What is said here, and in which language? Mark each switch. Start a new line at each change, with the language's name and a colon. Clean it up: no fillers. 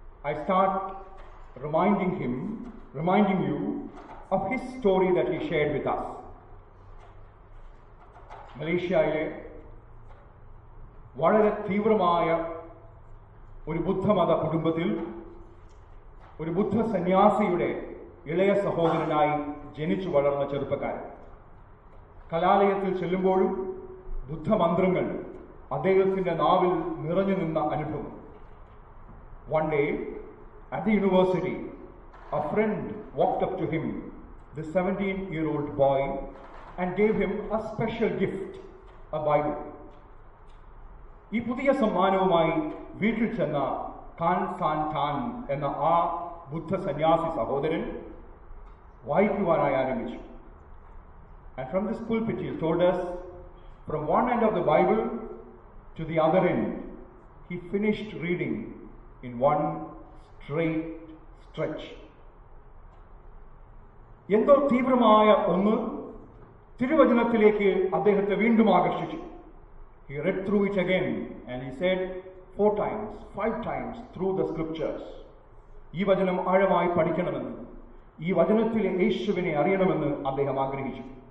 English: I start reminding you of his story that he shared with us.
Malayalam: മലേഷ്യയിലെ വളരെ തീവ്രമായ ഒരു ബുദ്ധമത കുടുംബത്തിൽ ഒരു ബുദ്ധ സന്യാസിയുടെ ഇളയ സഹോദരനായി ജനിച്ചു വളർന്ന ചെറുപ്പക്കാരൻ. കലാലയത്തിൽ ചെല്ലുമ്പോഴും ബുദ്ധമന്ത്രങ്ങൾ അദ്ദേഹത്തിന്റെ നാവിൽ നിറഞ്ഞു നിന്ന അനുഭവം.
English: One day at the university a friend walked up to him, the 17-year-old boy, and gave him a special gift, a Bible.
Malayalam: ഈ പുതിയ സമ്മാനവുമായി വീട്ടിൽ ചെന്ന കാൻ സാൻ ചാൻ എന്ന ആ ബുദ്ധ സന്യാസി സഹോദരൻ വായിക്കുവാനായി ആരംഭിച്ചു.
English: And from this pulpit he told us, from one end of the Bible to the other end, he finished reading in one straight stretch.
Malayalam: എന്തോ തീവ്രമായ ഒന്ന് തിരുവചനത്തിലേക്ക് അദ്ദേഹത്തെ വീണ്ടും ആകർഷിച്ചു.
English: He read through it again and he said, 4 times, 5 times through the scriptures,
Malayalam: ഈ വചനം ആഴമായി പഠിക്കണമെന്ന്, ഈ വചനത്തിലെ യേശുവിനെ അറിയണമെന്ന് അദ്ദേഹം ആഗ്രഹിച്ചു.